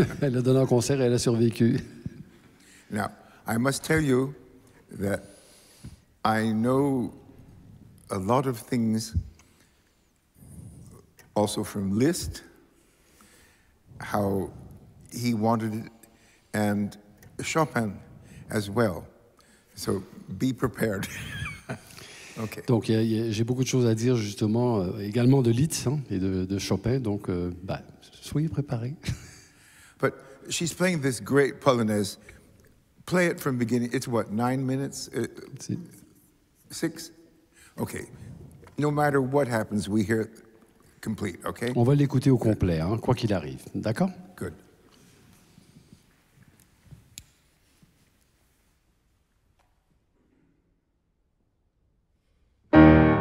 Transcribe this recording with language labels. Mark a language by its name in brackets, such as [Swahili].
[French] Elle l'a donné au concert et elle a survécu. [English] Now, I must tell you that I know a lot of things also from Liszt, how he wanted it, and Chopin as well. So be prepared. Okay. [French] Donc, j'ai beaucoup de choses à dire justement, également de Liszt hein, et de Chopin. Donc, soyez préparés. [English] But she's playing this great Polonaise. Play it from beginning. It's what, 9 minutes? Six? Okay. No matter what happens, we hear it complete, okay? [French] On va l'écouter au complet, hein, quoi qu'il arrive. D'accord? [English] Good. Thank you.